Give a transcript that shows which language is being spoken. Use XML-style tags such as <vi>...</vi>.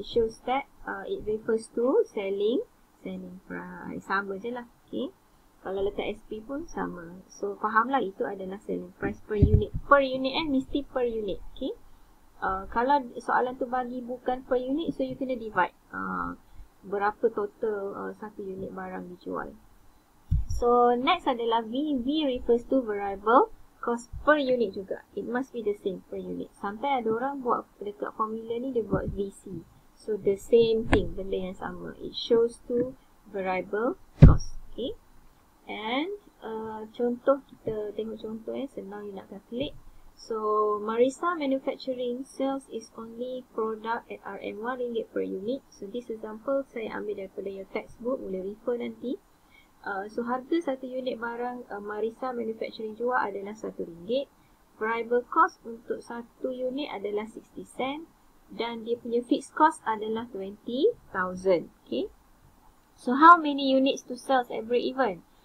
<en>It shows that it refers to selling price.</en> <ms>Sama je lah. Okay. Kalau letak SP pun sama. So, fahamlah itu adalah selling price per unit. Per unit kan? Mesti per unit. Okay. Kalau soalan tu bagi bukan per unit, so you kena divide. Berapa total satu unit barang dijual. So, next adalah V.</ms> <en>V refers to variable cost per unit juga. It must be the same per unit.</en> <ms>Sampai ada orang buat dekat formula ni, dia buat VC.</ms> <en>So, the same thing.</en> <ms>Benda yang sama.</ms> <en>It shows to variable cost. Okay. And contoh,</en> <ms>kita tengok contoh senang</ms> <en>you nak calculate. So, Marisa Manufacturing sells its only product at RM1 per unit.</en> <ms>So, this example saya ambil daripada your textbook, boleh refer nanti. So, harga satu unit barang Marisa Manufacturing jual adalah RM1. Variable cost untuk satu unit adalah 60 sen. Dan dia punya fixed cost adalah 20,000. Okay.</ms> <en>So, how many units to sell at break even?</en>